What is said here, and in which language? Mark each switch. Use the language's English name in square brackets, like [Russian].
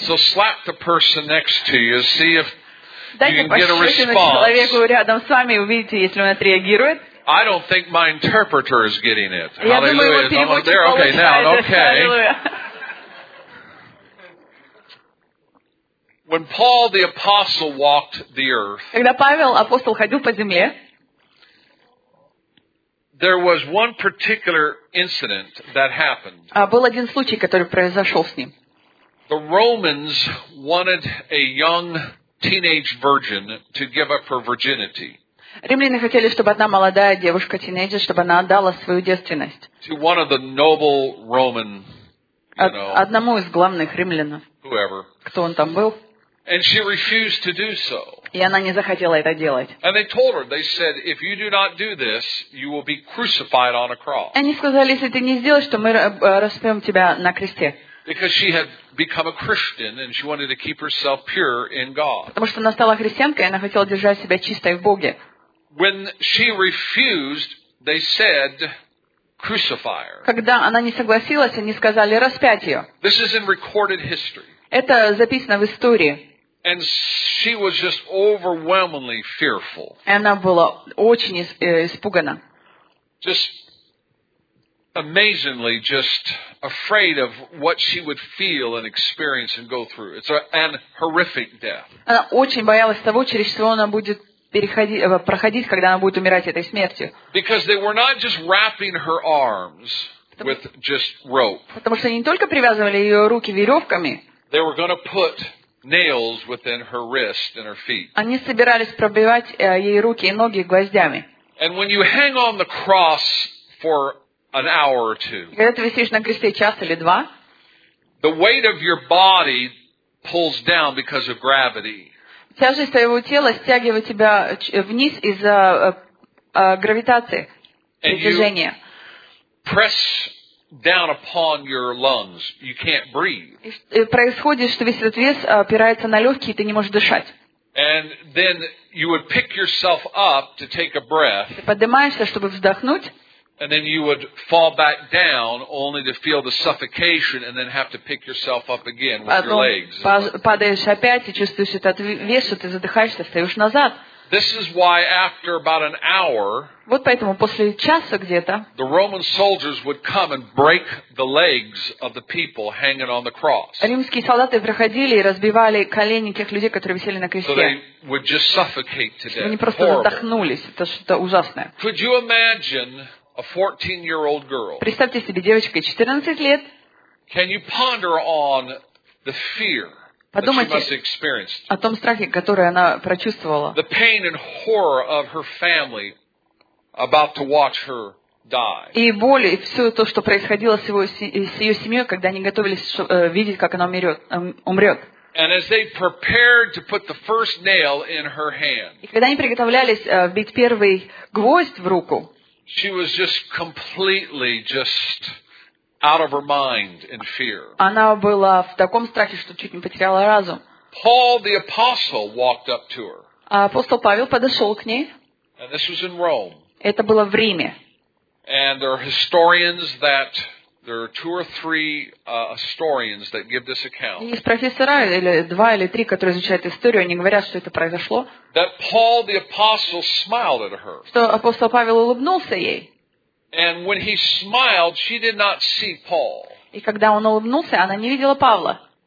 [English] So slap the person next to you, see if [Russian] Дайте [English] you can get a response. [Russian] Дайте пощечину человеку рядом с вами, увидите, если он отреагирует. [English] I don't think my interpreter is getting it. [Russian] Я Hallelujah. Думаю, его переводчик [English] there. Okay, now, okay. When Paul the apostle walked the earth. [Russian] Когда Павел апостол ходил по земле. [English] There was one particular incident that happened. [Russian] Был один случай, который произошел с ним. [English] The Romans wanted a young teenage virgin to give up her virginity. [Russian] Римляне хотели, чтобы одна молодая девушка, тинейджер, чтобы она отдала свою девственность. [English] To one of the noble Roman, [Russian] одному из главных римлян. [English] Whoever. [Russian] Кто он там был? [English] And she refused to do so. [Russian] И она не захотела это делать. [English] And they told her, they said, if you do not do this, you will be crucified on a cross. [Russian] Они сказали, если ты не сделаешь, то мы распнем тебя на кресте. [English] Because she had become a Christian and she wanted to keep herself pure in God. [Russian] Потому что она стала христианкой, и она хотела держать себя чистой в Боге. [English] When she refused, they said, crucify her. [Russian] Когда она не согласилась, они сказали, распять ее. [English] This is in recorded history. [Russian] Это записано в истории. [English] And she was just overwhelmingly fearful. [Russian] Она была очень испугана. [English] Just amazingly just afraid of what she would feel and experience and go through. It's an horrific death. [Russian] Она очень боялась того, через что она будет проходить, когда она будет умирать этой смертью. [English] Because they were not just wrapping her arms with just rope. [Russian] Потому что они не только привязывали ее руки веревками. [English] They were going to put nails within her wrist and her feet. [Russian] Они собирались пробивать ей руки и ноги гвоздями. [English] And when you hang on the cross for an hour or two. [Russian] Когда ты висишь на кресте час или два. [English] The weight of your body pulls down because of gravity. [Russian] Тяжесть твоего тела стягивает тебя вниз из-за гравитации, притяжения. [English] Press down upon your lungs, you can't breathe. [Russian] Происходит, что весь этот вес опирается на легкие, и ты не можешь дышать. [English] And then you would pick yourself up to take a breath. [Russian] Ты поднимаешься, чтобы вздохнуть. [English] And then you would fall back down, only to feel the suffocation, and then have to pick yourself up again with your legs. [Russian] Падаешь опять и чувствуешь этот вес, что ты задыхаешься, встаешь назад. [English] This is why after about an hour, [Russian] вот поэтому после часа где-то, [English] the Roman soldiers would come and break the legs of the people hanging on the cross. [Russian] Римские солдаты приходили и разбивали колени тех людей, которые висели на кресте. [English] So they would just suffocate to death. [Russian] Они просто задохнулись. Это что-то ужасное. [English] Could you imagine a 14-year-old girl? [Russian] Представьте себе девочкой 14 лет. [English] Can you ponder on the fear? [Russian] Подумайте о том страхе, который она прочувствовала. [English] The pain and horror of her family about to watch her [Russian] И боль, и все то, что происходило с, его, с ее семьей, когда они готовились видеть, как она умрет. [English] And as they prepared to put the first nail in her hand, [Russian] и когда они приготовлялись вбить первый гвоздь в руку, [English] she was just completely just out of her mind in fear. [Russian] Она была в таком страхе, что чуть не потеряла разум. [English] Paul the apostle walked up to her. [Russian] Апостол Павел подошел к ней. [English] And this was in Rome. [Russian] Это было в Риме. [English] And there are historians that. There are two or three historians that give this account. [Russian] Есть профессора или два или три, которые изучают историю, они говорят, что это произошло. [English] That Paul the apostle smiled at her. [Russian] Что апостол Павел улыбнулся ей. [English] And when he smiled, she did not see Paul. [Russian] И когда он улыбнулся, она не видела Павла.